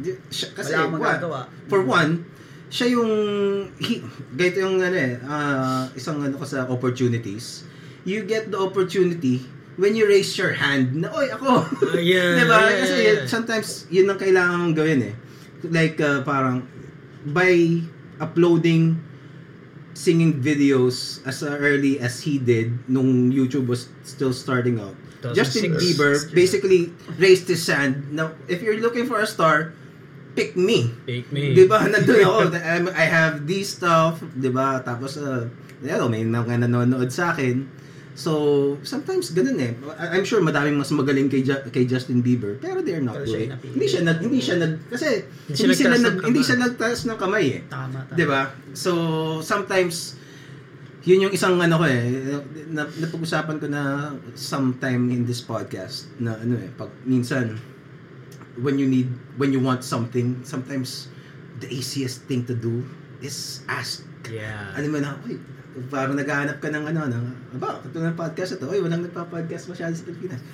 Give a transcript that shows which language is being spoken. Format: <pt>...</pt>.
<tl>Siya, kasi</tl> <en>for one,</en> <tl>siya yung gayto yung ano eh, isang ano ko sa opportunities.</tl> <en>You get the opportunity when you raise your hand.</en> <tl>Na, "Oy, ako."</tl> <en>Yeah.</en> <tl>Diba?</tl> <en>Yeah,</en> <tl>kasi sometimes yun ang kailangan mong gawin eh.</tl> <en>Like parang by uploading singing videos as early as he did nung YouTube was still starting out. Justin Bieber basically raised his hand. Now, if you're looking for a star, pick me. Pick me.</en> <tl>Diba? Nandun ako.</tl> <en>I have this stuff.</en> <tl>Diba? Tapos, may mga nanonood sa akin. So, sometimes ganun eh.</tl> <en>I'm sure</en> <tl>madaming mas magaling kay Justin Bieber.</tl> <en>Pero they're not good.</en> <tl>Hindi siya nagtaas ng kamay eh. Tama. Diba? So, sometimes, yun yung isang ano ko eh. Napag-usapan ko na sometime in this podcast. Na ano eh.</tl> <en>Pag minsan, when you want something, sometimes, the easiest thing to do is ask. Yeah.</en> <tl>Ano mo na, uy, parang naghahanap ka ng ano, ito na podcast ito, uy, walang nagpa-podcast masyado sa Pilipinas.</tl>